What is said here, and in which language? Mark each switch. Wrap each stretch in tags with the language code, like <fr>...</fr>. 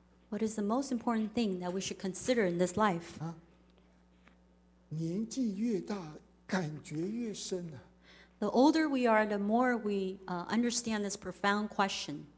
<en>What is the most important thing that we should consider in this life?</en> <zh>啊，年纪越大，感觉越深啊。</zh> <en>The older we are, the more we understand this profound question.</en>